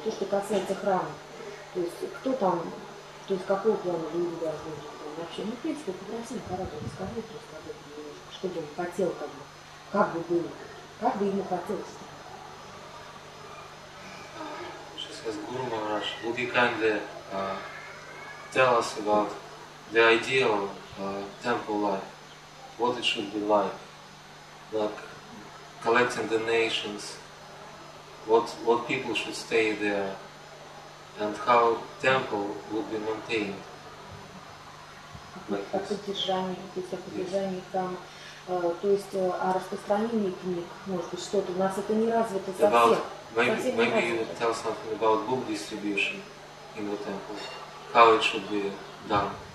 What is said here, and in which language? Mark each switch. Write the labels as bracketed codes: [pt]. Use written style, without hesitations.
[ru] То, что касается храма, то есть кто там, то есть какого плана люди должны быть вообще. Ну, в принципе, попроси Махараджи рассказать просто об этом немножко, что бы он хотел, как бы было, как бы ему хотелось. Сейчас я с Гуру Махарадж. [en] Would you kindly tell us about the ideal temple life? What it should be like collecting donations, what people should stay there, and how temple would be maintained. Like this. [ru] О поддержании храма, то есть о распространении книг, может быть, что-то. У нас это не развито совсем. [en] Maybe you would tell something about book distribution in the temple, how it should be done.